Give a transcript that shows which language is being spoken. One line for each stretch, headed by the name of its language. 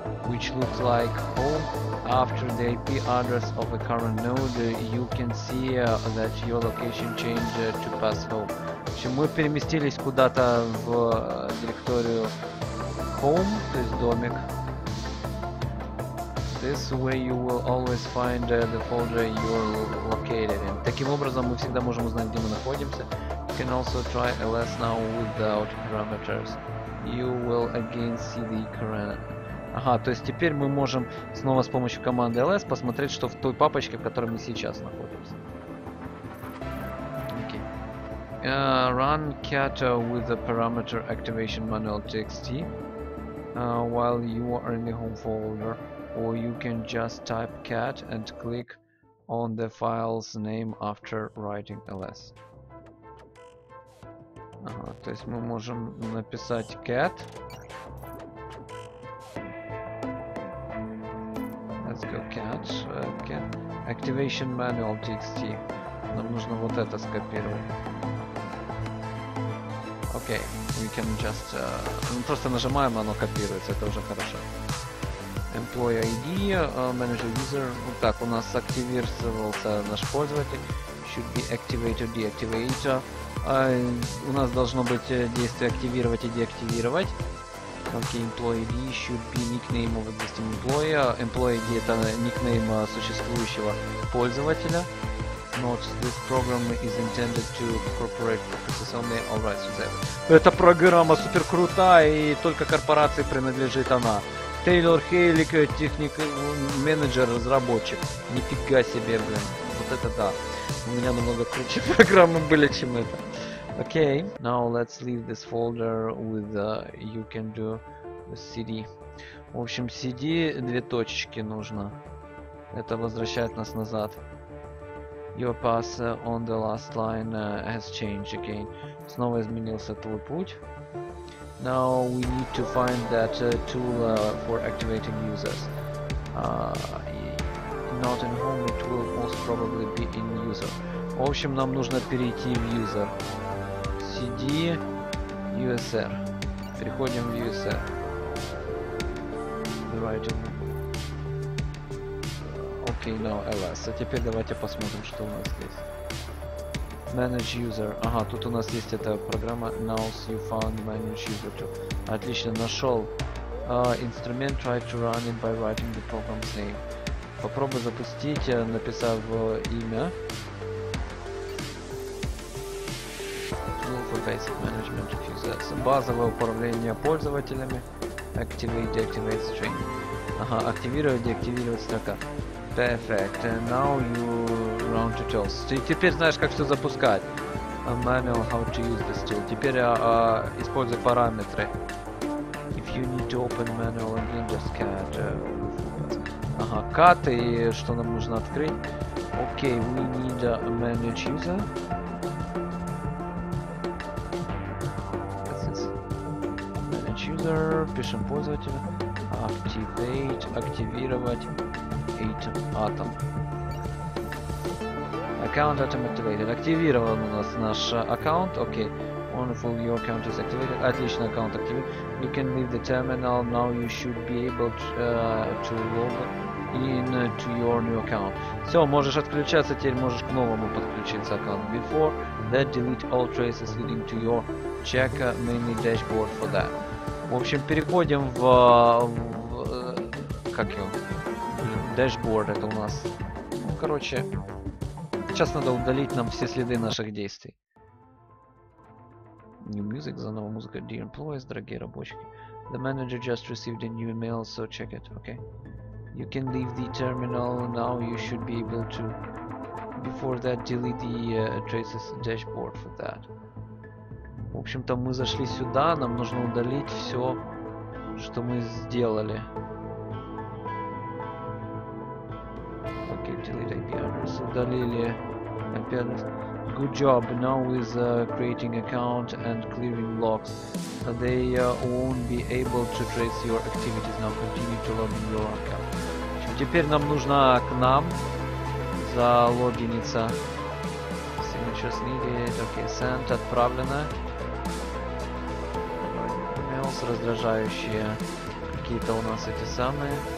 English: which looks like home after the IP address of a current node, you can see that your location changed to pass home.
Russian: В общем, мы переместились куда-то в директорию home, то есть домик.
English: This way you will always find the folder you're located in.
Russian: Таким образом, мы всегда можем узнать, где мы находимся.
English: You can also try ls now without parameters. You will again see the current.
Russian: Ага, то есть теперь мы можем снова с помощью команды ls посмотреть, что в той папочке, в которой мы сейчас находимся.
English: Okay. Run cat with the parameter activation manual txt while you are in the home folder, or you can just type cat and click on the file's name after writing ls.
Russian: Ага, то есть мы можем написать cat.
English: Let's go cat, cat activation manual txt.
Russian: Нам нужно вот это скопировать. Окей,
English: okay, we can just
Russian: мы просто нажимаем, оно копируется, это уже хорошо.
English: Employee ID, manager user.
Russian: Вот так у нас активировался наш пользователь.
English: Should be activated, deactivated.
Russian: У нас должно быть действие активировать и деактивировать.
English: Okay, employee ID should be nickname of existing employee.
Russian: Employee ID — это никнейм существующего пользователя.
English: Note, this program is intended to corporate purposes only. All rights reserved.
Russian: Эта программа супер крутая, и только корпорации принадлежит она. Тейлор Хейлик, техник, менеджер, разработчик. Нифига себе, блин. Вот это да. У меня намного круче программы были, чем это.
English: Okay, now let's leave this folder with you can do cd.
Russian: В общем, cd две точечки нужно. Это возвращает нас назад.
English: Your path on the last line has changed again.
Russian: Снова изменился твой путь.
English: Now we need to find that tool for activating users. Not in home, it will most probably be in user.
Russian: В общем, нам нужно перейти в user. CD USR. Переходим в USR.
English: Writing. Okay, now LS.
Russian: А теперь давайте посмотрим, что у нас здесь.
English: Manage user.
Russian: Ага, тут у нас есть эта программа.
English: Now you found manage user tool.
Russian: Отлично, нашел. Инструмент
English: try to run it by writing the program's name.
Russian: Попробуй запустить, написав имя.
English: Basic management of users.
Russian: Базовое управление пользователями.
English: Activate, deactivate string.
Russian: Ага, активировать, деактивировать строка.
English: Perfect. And now you run tutorials.
Russian: Ты теперь знаешь, как все запускать.
English: Manual how to use this tool.
Russian: Теперь используй параметры.
English: If you need to open manual again, just cat.
Russian: Ага, cat, и что нам нужно открыть?
English: Okay, we need a manage user.
Russian: User, пишем пользователя.
English: Activate,
Russian: активировать
English: Item Atom. Account Atom activated.
Russian: Активирован у нас наш аккаунт.
English: Окей. Wonderful, your account is activated.
Russian: Отлично, аккаунт активирован.
English: You can leave the terminal. Now you should be able to log in to your new account.
Russian: Все, можешь отключаться, теперь можешь к новому подключиться аккаунт.
English: Before that, delete all traces leading to your checker mainly dashboard for that.
Russian: В общем, переходим в как его? Dashboard это у нас. Ну, короче, сейчас надо удалить нам все следы наших действий.
English: New music,
Russian: заново музыка.
English: Dear employees,
Russian: дорогие рабочие.
English: The manager just received a new email, so check it, okay? You can leave the terminal now. You should be able to. Before that, delete the traces dashboard for that.
Russian: В общем-то, мы зашли сюда, нам нужно удалить все, что мы сделали.
English: Okay, delete IP address.
Russian: Удалили
English: IP address. Good job. Now with creating account and clearing logs, they won't be able to trace your activities. Now continue to log in your account.
Russian: Теперь нам нужно к нам залогиниться.
English: Signatures needed. Okay, sent.
Russian: Отправлено. Emails раздражающие. Какие-то у нас эти самые.